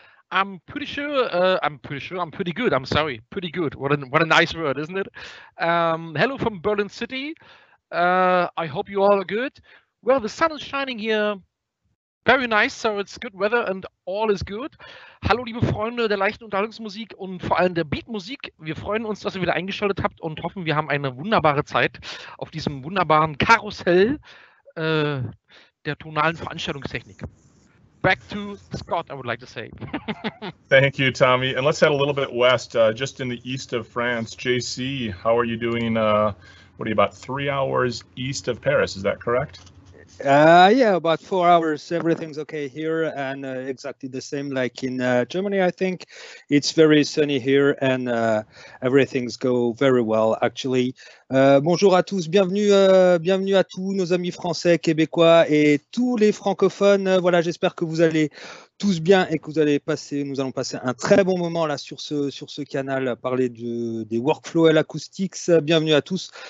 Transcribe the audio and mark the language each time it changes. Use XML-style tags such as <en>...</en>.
<en>I'm pretty good. I'm sorry. Pretty good. What a nice word, isn't it? Hello from Berlin City. I hope you all are good. Well, the sun is shining here. Very nice. So it's good weather and all is good.</en> <de>Hallo, liebe Freunde der leichten Unterhaltungsmusik und vor allem der Beatmusik. Wir freuen uns, dass ihr wieder eingeschaltet habt und hoffen, wir haben eine wunderbare Zeit auf diesem wunderbaren Karussell der tonalen Veranstaltungstechnik.</de> <en>Back to Scott, I would like to say. Thank you, Tommy. And let's head a little bit west, just in the east of France. JC, how are you doing? What are you, about 3 hours east of Paris, is that correct? Yeah, about 4 hours. Everything's okay here, and exactly the same like in Germany, I think. It's very sunny here, and everything's go very well, actually.</en> <fr>Bonjour à tous, bienvenue à tous nos amis français, québécois et tous les francophones. Voilà, j'espère que vous allez tous bien et que nous allons passer un très bon moment là sur ce canal, parler des workflows et l'acoustics. Bienvenue à tous.</fr>